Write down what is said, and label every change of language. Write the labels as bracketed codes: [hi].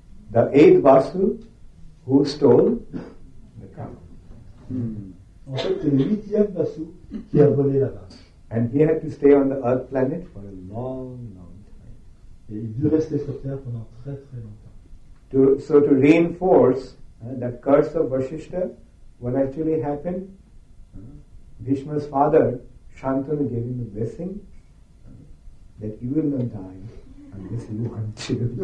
[en] The eighth Vasu who stole the cow. [fr] En fait, c'est le huitième Vasu qui a volé la vache. [en] And he had to stay on the earth planet for a long, long time. [fr] Et il dut rester sur Terre pendant très, très longtemps. [en] To reinforce the curse of Vasishtha, what actually happened? Bhishma's father, Shantanu, gave him a blessing that you will not die unless you want to.